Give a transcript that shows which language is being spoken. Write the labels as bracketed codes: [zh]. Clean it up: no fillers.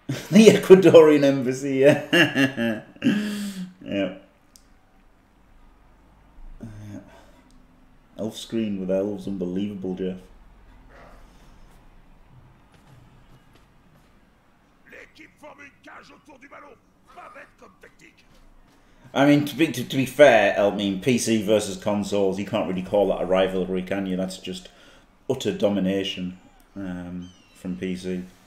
[en] The Ecuadorian embassy, yeah. Elf screen with elves, unbelievable, Jeff. [fr] L'équipe forme une cage autour du ballon. Pas bête comme tactique. [en] I mean, to be fair, I mean, PC versus consoles, you can't really call that a rivalry, can you? That's just utter domination from PC.